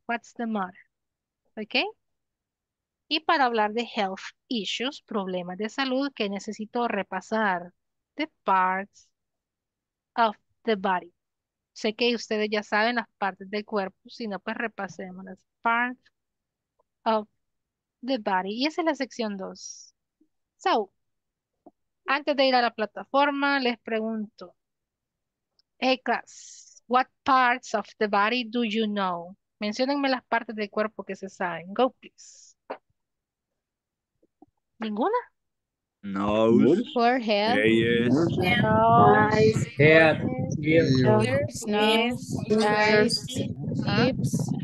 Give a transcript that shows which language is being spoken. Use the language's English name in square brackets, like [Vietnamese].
[English] What's the matter? [Spanish] ¿Ok? Y para hablar de [English] health issues, [Spanish] problemas de salud, que necesito repasar [English] the parts of the body. [Spanish] Sé que ustedes ya saben las partes del cuerpo, si no, pues repasemos las [English] parts of the body. [Spanish] Y esa es la sección 2. So, antes de ir a la plataforma, les pregunto. [English] Hey, class, what parts of the body do you know? [Spanish] Menciónenme las partes del cuerpo que se saben. [English] Go, please. [Spanish] ¿Ninguna? [English] Nose. Forehead. Eyes. Head. Ears. Nose. Eyes. Lips.